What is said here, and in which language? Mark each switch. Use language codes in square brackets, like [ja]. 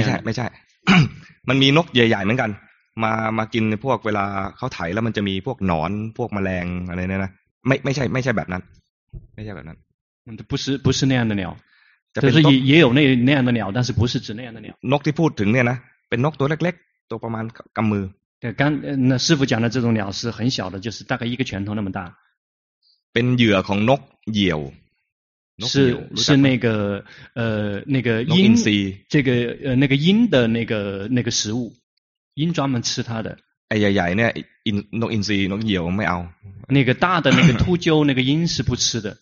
[th] ยไม่ใช่ มันมีนกใหญ่ๆเหมือนกันมากินพวกเวลาเขาถ่ายแล้วมันจะมีพวกหนอนพวกแมลงอะไรเนี่ยนะไม่ใช่แบบนั้นไม่ใช่แบบนั้น มันปุชเนี่ยนะเนี่ยจะเป็นนก [zh] 也有那那样的鸟但是不是指那样的鸟 [th] นกที่พูดถึงเนี่ยนะเป็นนกตัวเล็กๆตัวประมาณกำมือ [zh] 对刚那师傅讲的这种鸟是很小的就是大概一个拳头那么大 [th] เป็นเหยื่อของนกเหยี่ยว [zh] 是那个那个鹰这个那个鹰的那个食物鹰专门吃它的哎呀呀那鹰 [th] นกอินทรีนกเหยี่ยวไม่เอา [zh] 那个大的那个秃鹫那个鹰是不吃的